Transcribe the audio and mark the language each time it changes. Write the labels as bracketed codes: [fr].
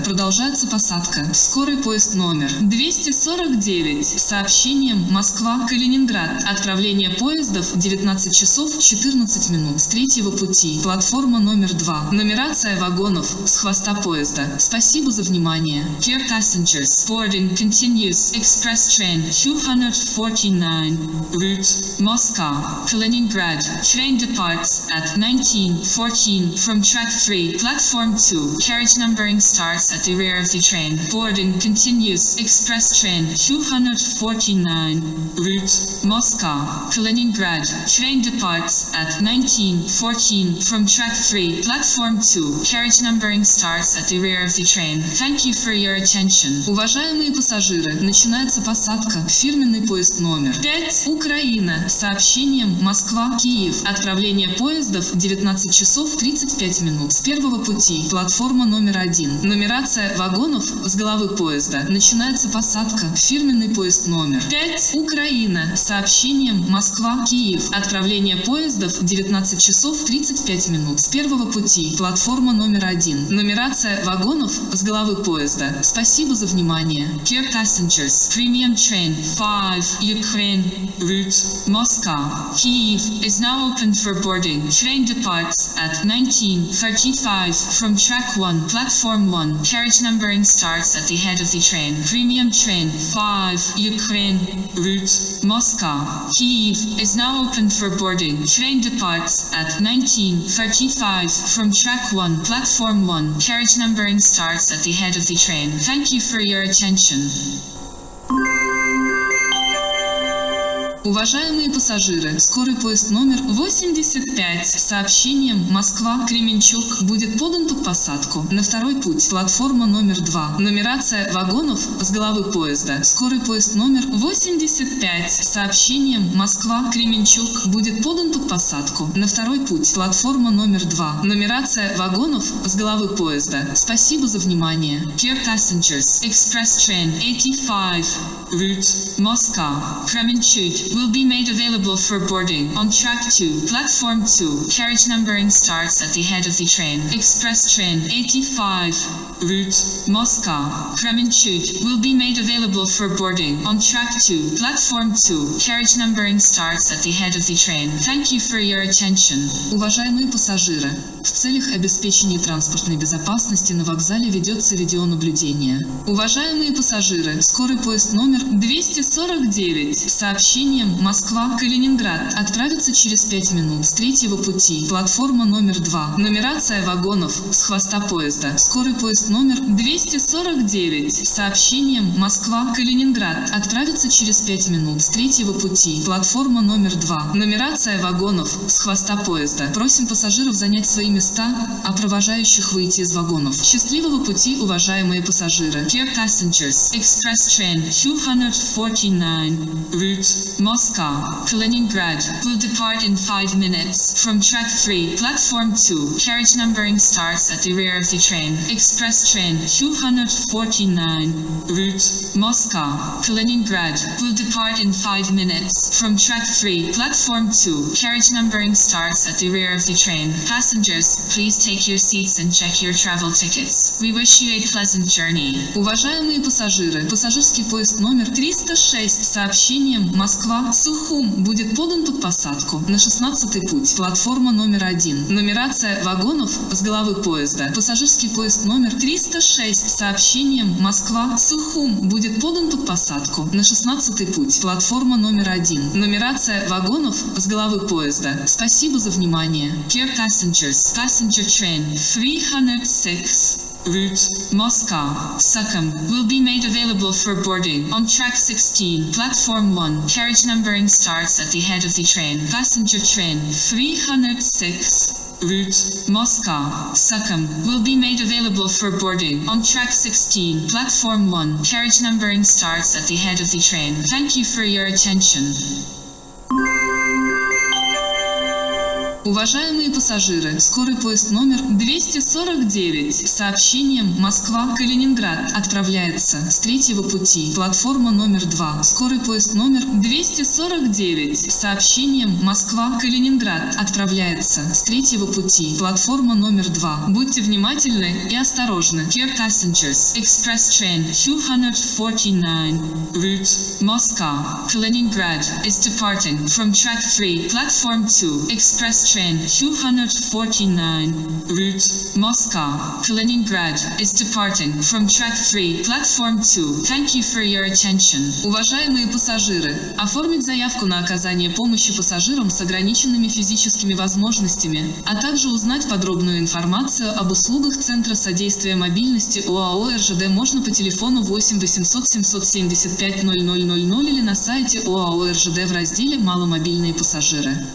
[ru] Продолжается посадка. Скорый поезд номер 249. Сообщением Москва-Калининград. Отправление поездов 19 часов 14 минут. С третьего пути. Платформа номер 2. Нумерация вагонов с хвоста поезда. Спасибо за внимание. [en] Dear passengers, boarding continues. Express train 249. Route Moscow, Kaliningrad. Train departs at 19:14 from track 3, platform 2. Carriage numbering starts at the rear of the train. Boarding continues. Express train 249. Route Moscow, Kaliningrad. Train departs at 19:14 from track 3, platform 2. Carriage numbering starts at the rear of the train. Thank you for your attention. [ru] Уважаемые пассажиры, начинается посадка. Фирменный поезд номер 5. Украина. Сообщением Москва-Киев. Отправление поездов 19 часов 35 минут. С первого пути. Платформа номер 1. Нумерация вагонов с головы поезда. Начинается посадка. Фирменный поезд номер 5. Украина. Сообщением Москва-Киев. Отправление поездов 19 часов 35 минут. С первого пути. Платформа номер 1. Нумерация вагонов с головы поезда. Спасибо за внимание. [en] Dear passengers, premium train 5, Ukraine, route Moscow, Kyiv, is now open for boarding. Train departs at 19:35 from track 1, platform 1. Carriage numbering starts at the head of the train. Premium train 5, Ukraine, route Moscow, Kyiv, is now open for boarding. Train departs at 19:35 from track 1, platform 1. Carriage numbering starts at the head of the train. Thank you for your attention. [ru] Уважаемые пассажиры, скорый поезд номер 85 с сообщением Москва-Кременчук будет подан под посадку на второй путь. Платформа номер 2. Нумерация вагонов с головы поезда. Скорый поезд номер 85 с сообщением Москва-Кременчук будет подан под посадку на второй путь. Платформа номер 2. Нумерация вагонов с головы поезда. Спасибо за внимание. [en] Dear passengers, express train 85, route Moscow, Kremenchuk will be made available for boarding on track 2, platform 2. Carriage numbering starts at the head of the train. Express train 85, route Moscow, Kremenchuk will be made available for boarding on track 2, platform 2. Carriage numbering starts at the head of the train. Thank you for your attention. [ru] Уважаемые пассажиры, в целях обеспечения транспортной безопасности на вокзале ведется видеонаблюдение. Уважаемые пассажиры, скорый поезд номер 249. Сообщение Москва-Калининград отправится через 5 минут с третьего пути. Платформа номер 2. Нумерация вагонов с хвоста поезда. Скорый поезд номер 249. Сообщением Москва-Калининград отправится через 5 минут с третьего пути. Платформа номер 2. Нумерация вагонов с хвоста поезда. Просим пассажиров занять свои места, а провожающих выйти из вагонов. Счастливого пути, уважаемые пассажиры. [en] Dear passengers, express train 249, route Moscow, Kaliningrad, will depart in 5 minutes from track 3, platform 2. Carriage numbering starts at the rear of the train. Express train 249, route Moscow, Kaliningrad, will depart in 5 minutes from track 3, platform 2. Carriage numbering starts at the rear of the train. Passengers, please take your seats and check your travel tickets. We wish you a pleasant journey. [ru] Уважаемые пассажиры, пассажирский поезд номер 306 с сообщением Москва Сухум будет подан под посадку на 16-й путь. Платформа номер 1. Нумерация вагонов с головы поезда. Пассажирский поезд номер 306 с сообщением Москва-Сухум будет подан под посадку на 16-й путь. Платформа номер 1. Нумерация вагонов с головы поезда. Спасибо за внимание. [en] Dear passengers, passenger train 306. Route Moscow, Sukhum will be made available for boarding on track 16, platform 1. Carriage numbering starts at the head of the train. Passenger train 306. Route Moscow, Sukhum will be made available for boarding on track 16, platform 1. Carriage numbering starts at the head of the train. Thank you for your attention. [ru] Уважаемые пассажиры, скорый поезд номер 249 с сообщением «Москва-Калининград» отправляется с третьего пути. Платформа номер 2. Скорый поезд номер 249 с сообщением «Москва-Калининград» отправляется с третьего пути. Платформа номер 2. Будьте внимательны и осторожны. [en] Dear passengers, express train 249, route Moscow-Kaliningrad is departing from track 3, platform 2. Express train 249, route Moscow-Kaliningrad is departing from track 3, platform 2. Thank you for your attention. [ru] Уважаемые пассажиры, оформить заявку на оказание помощи пассажирам с ограниченными физическими возможностями, а также узнать подробную информацию об услугах Центра содействия мобильности ОАО РЖД можно по телефону 8 800 775 0000 или на сайте ОАО РЖД в разделе «Маломобильные пассажиры».